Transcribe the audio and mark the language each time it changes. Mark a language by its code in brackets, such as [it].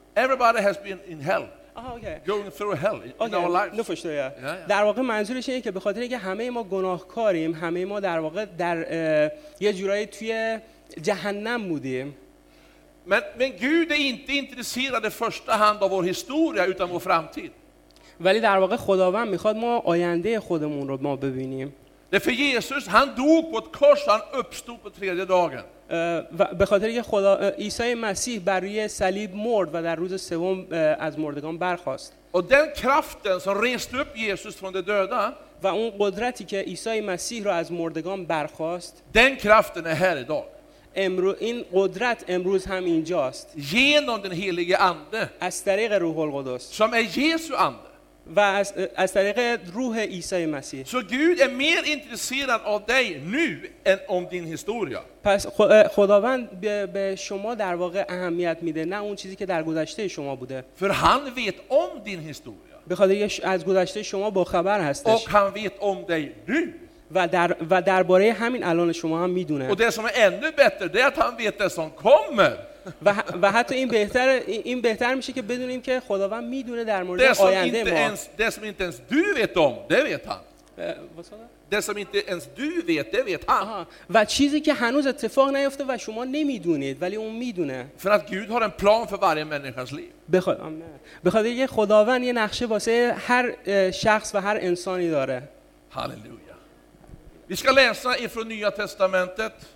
[en] Everybody has been in hell. Oh, okay. Going through hell in okay. our lives. نفشته. Yeah, yeah. [fa] در واقع منظورش اینه که به خاطر اینکه همه ما گناهکاریم، همه ما در واقع در یه جورایی توی جهنم بودیم. [sv] Men Gud är inte intresserad i första hand av vår historia utan vår framtid. [fa] ولی در واقع خداوند میخواد ما آینده خودمون رو ما ببینیم. [sv] Därför Jesus han dog på ett kors, han uppstod på tredje dagen. [fa] به خاطر اینکه خدا عیسی مسیح بر روی صلیب مرد و در روز سوم از مردگان برخاست. [sv] و den kraften som reste upp Jesus från de döda. [fa] و اون قدرتی که عیسی مسیح را از مردگان برخاست. [sv] Den kraften är här idag. [fa] امروز این قدرت امروز هم اینجاست. [sv] Genom den helige ande. [fa] از طریق روح القدس. [sv] Som är Jesu ande. [fa] و از طریق روح عیسی مسیح. [sv] So Gud är mer intresserad av dig nu än om din historia. [fa] پس خداوند به شما در واقع اهمیت میده، نه اون چیزی که در گذشته شما بوده. [sv] För han vet om din historia. [fa] به خاطر از گذشته شما با خبر هستش. [sv] Och han vet om dig nu. [fa] و درباره همین الان شما هم میدونه. [sv] Och det som är ännu bättre det är att han vet det som kommer. [fa] و حتی این بهتر میشه که بدونیم که خداوند میدونه در مورد آینده ما. [sv] Det som inte ens du vet om, det vet han. Det som inte ens du vet, det vet han. [fa] و چیزی که هنوز اتفاق نیفته و شما نمیدونید ولی اون میدونه. [sv] För att Gud har en plan för varje människas liv. [fa] بخواد یه خداوند یه نقشه واسه هر شخص و هر انسانی داره. [sv] Halleluja. Vi ska läsa ifrån Nya testamentet.